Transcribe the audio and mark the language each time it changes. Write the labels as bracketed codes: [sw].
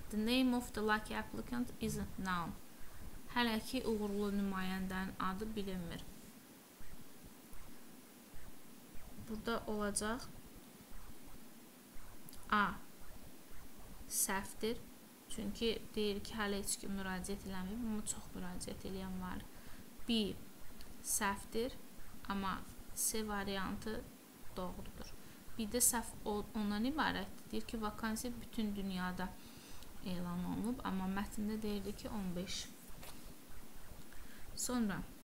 [en] The name of the lucky applicant isn't known. [az] Hələ ki uğurlu nümayəndənin adı bilinmir. Burada olacaq A. Səhvdir. Çünki deyir ki, hələ heç kim müraciət eləmir. Amma çox müraciət eləyən var. B. Səhvdir. Amma C variantı doğrudur. Bir də səhv ondan ibarətdir. Deyir ki, vakansiya bütün dünyada elan olunub. Amma mətndə deyirdi ki, 15. Sonra